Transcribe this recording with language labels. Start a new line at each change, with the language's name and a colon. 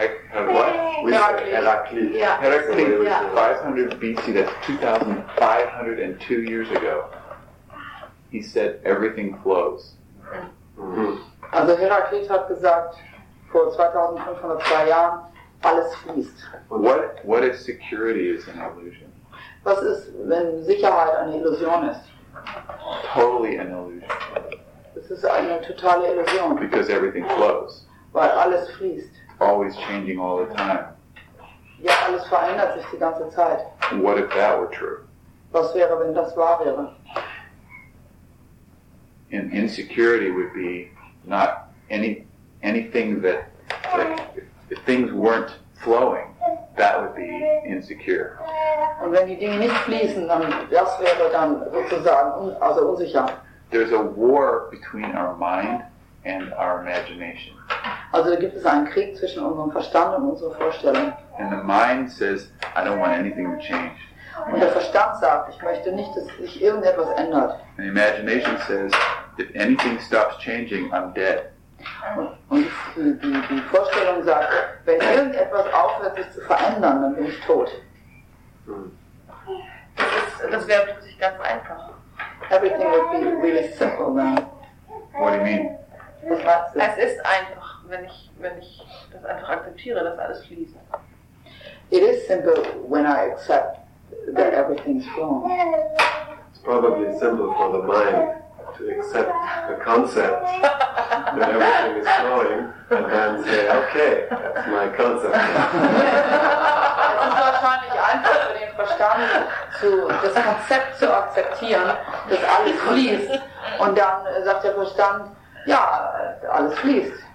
English: Heraclitus, 500 BC, that's 2,502 years ago, he said, everything flows.
German: Also Heraklit hat gesagt, vor 2,502 Jahren, alles fließt.
English: What if security is an illusion?
German: Was ist, wenn Sicherheit eine Illusion ist?
English: Totally an illusion.
German: Es ist eine totale Illusion.
English: Because everything flows.
German: Weil alles fließt.
English: Always changing all the time.
German: Ja, alles verändert sich die ganze Zeit.
English: What if that were true?
German: Was wäre, wenn das wahr wäre?
English: And insecurity would be not anything that, like, if things weren't flowing, that would be insecure.
German: Und wenn die Dinge nicht fließen, dann das wäre dann sozusagen also unsicher.
English: There's a war between our mind and our imagination.
German: Also gibt es einen Krieg zwischen unserem Verstand und unserer Vorstellung.
English: And the mind says, I don't want anything to change.
German: Und der Verstand sagt, ich möchte nicht, dass sich irgendetwas ändert.
English: And the imagination says, if anything stops changing, I'm dead.
German: Und die Vorstellung sagt, wenn irgendetwas aufhört, sich zu verändern, dann bin ich tot. Das wäre plötzlich ganz einfach.
English: Everything would be really simple then. What do you mean?
German: Es ist einfach, wenn ich das einfach akzeptiere, dass alles fließt.
English: It is simple when I accept that everything's wrong. It's probably simple for the mind to accept the concept that everything is flowing and then say, okay, that's my concept.
German: Es ist wahrscheinlich einfach für den Verstand, das Konzept zu akzeptieren, dass alles fließt. Und dann sagt der Verstand, ja, alles fließt.